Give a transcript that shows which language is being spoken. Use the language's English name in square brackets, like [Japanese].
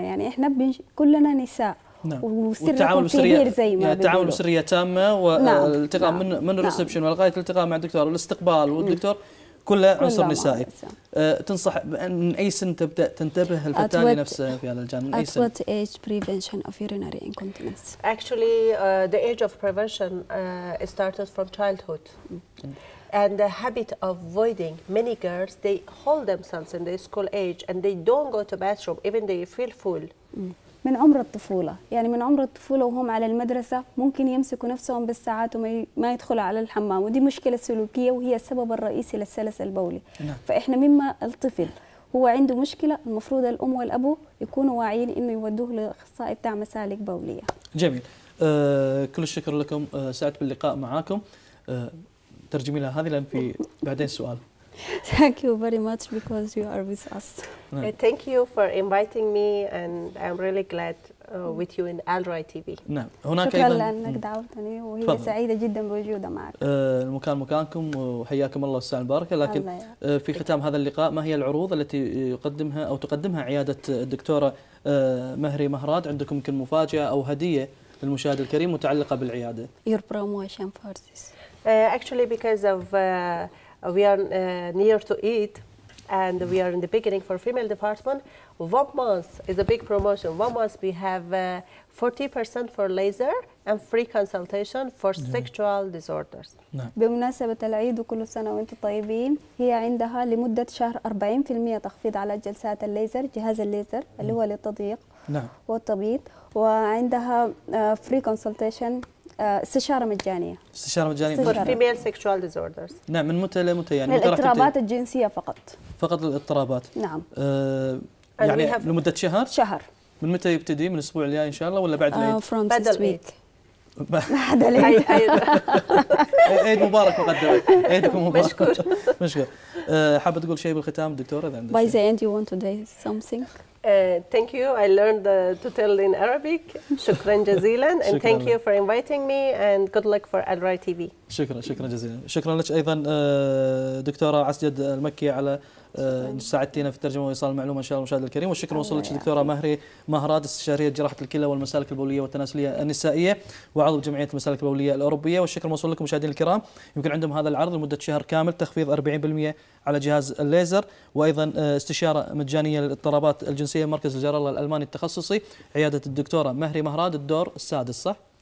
[Arabic] يعني إحنا كلنا نساء. والتعامل بسرية زي ما التعامل بسرية تامة، والالتقاء من الريسبشن ولغاية الالتقاء مع الدكتور، والاستقبال والدكتور كله عنصر نسائي. تنصح من أي سن تبدأ تنتبه الفتاة لنفسها في هذا الجانب؟ [English] At what age prevention of urinary incontinence? Actually, the age of prevention started from childhood. And the habit of voiding, many girls, they hold themselves in the school age and they don't go to bathroom even they feel full. [Arabic] من عمر الطفولة، يعني من عمر الطفولة وهم على المدرسة ممكن يمسكوا نفسهم بالساعات وما يدخلوا على الحمام، ودي مشكلة سلوكية وهي السبب الرئيسي للسلس البولي. فإحنا مما الطفل هو عنده مشكلة، المفروض الأم والأبو يكونوا واعيين إنه يودوه لأخصائي بتاع مسالك بولية. جميل. كل الشكر لكم. سعدت باللقاء معاكم. ترجمي لها هذه لأن في بعدين سؤال. [English] Thank you very much because you are with us. Thank you for inviting me and I'm really glad with you in Al Rai TV. [Arabic] نعم. هناك شكرا لأنك دعوتني وهي سعيدة جدا بوجودها معك. المكان مكانكم وحياكم الله والسلام المباركة. لكن في ختام هذا اللقاء، ما هي العروض التي يقدمها أو تقدمها عيادة الدكتورة مهري مهراد؟ عندكم يمكن مفاجأة أو هدية للمشاهد الكريم متعلقة بالعيادة. [English] Your promotion for this. Actually because of we are near to Eid, and we are in the beginning for female department. 1 month is a big promotion. 1 month we have 40% for laser and free consultation for sexual disorders. [Arabic] بمناسبة العيد وكل سنة وأنتم طيبين، هي عندها لمدة شهر 40% تخفيض على جلسات الليزر، جهاز الليزر اللي هو للتضييق والتبييض، وعندها [English] free consultation. [Arabic] استشارة مجانية. استشارة مجانية. [English] For female sexual disorders. [Arabic] نعم. من متى لمتى يعني؟ الاضطرابات الجنسية فقط. فقط الاضطرابات. نعم. يعني لمدة شهر. شهر. من متى يبتدي؟ من الأسبوع الجاي إن شاء الله ولا بعد العيد؟ [English] From this week. [Arabic] بعد العيد. عيد مبارك مقدم. عيدكم مبارك. مشكور. حابة تقول شيء بالختام دكتورة؟ [English] By the end you want to say something. Thank you. I learned to tell in Arabic. [Arabic] Shukran jazilan. [English] And thank you for inviting me. And good luck for Al Rai TV. [Arabic] Shukran. Shukran jazilan. Shukran lach aydan, Doktora Asjad Al-Makki, ala ساعدتينا في الترجمة وإيصال المعلومة إن شاء الله المشاهد الكريم. والشكر موصول لك دكتورة مهري مهراد، استشارية جراحة الكلى والمسالك البولية والتناسلية النسائية وعضو جمعية المسالك البولية الأوروبية. والشكر موصول لكم مشاهدين الكرام. يمكن عندهم هذا العرض لمدة شهر كامل، تخفيض 40% على جهاز الليزر، وأيضا استشارة مجانية للاضطرابات الجنسية مركز الجرالة الألماني التخصصي، عيادة الدكتورة مهري مهراد، الدور السادس صح؟